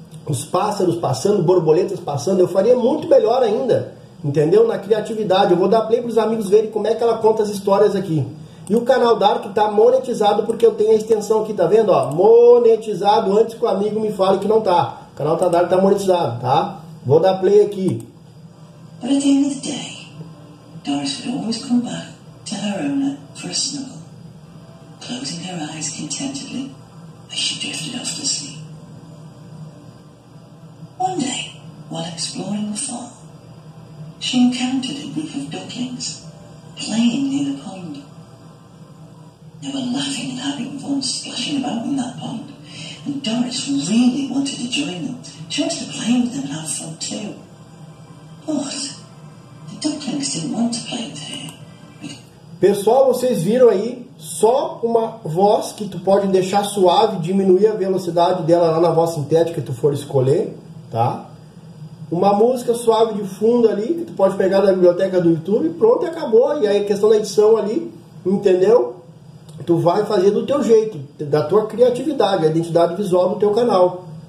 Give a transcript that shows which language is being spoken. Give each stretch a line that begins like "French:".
Portuguese: Os pássaros passando, borboletas passando, eu faria muito melhor ainda, entendeu? Na criatividade. Eu vou dar play para os amigos verem como é que ela conta as histórias aqui. E o canal Dark está monetizado porque eu tenho a extensão aqui, tá vendo? Ó, monetizado, antes que o amigo me fale que não tá. O canal Dark está monetizado, tá? Vou dar play aqui.
English: But at the end of the day, Doris would always come back to her owner for a snuggle. Closing her eyes contentedly as she drifted off to sleep. One day, while exploring the farm, she encountered a group of ducklings playing near the pond. They were laughing and having fun splashing about in that pond, and Doris really wanted to join them. She wanted to play with them and have fun too. But the ducklings didn't want to play with her.
Portuguese: Pessoal, vocês viram aí? Só uma voz que tu pode deixar suave, diminuir a velocidade dela lá na voz sintética que tu for escolher. Tá? Uma música suave de fundo ali, que tu pode pegar da biblioteca do YouTube, pronto, acabou. E aí, questão da edição ali, entendeu? Tu vai fazer do teu jeito, da tua criatividade, a identidade visual do teu canal.